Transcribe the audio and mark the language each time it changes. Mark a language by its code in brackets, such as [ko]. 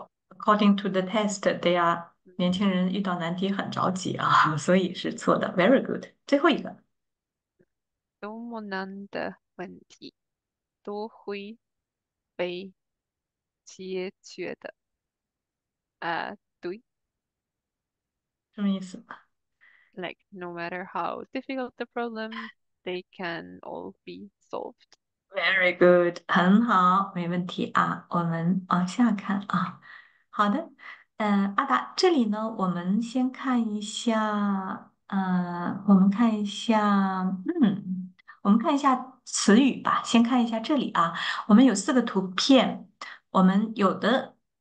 [en] According to the test, they are [zh] 年轻人遇到难题很着急啊，所以是错的。 [en] Very good. [zh] 最后一个。多么难的问题都会被解决的，对。什么意思？ [en] Like, no matter how difficult the problem, they can all be solved. Very good， [zh] 很好，没问题啊。我们往下看啊。好的，阿达，这里呢，我们先看一下，我们看一下词语吧。先看一下这里啊，我们有四个图片，我们有的。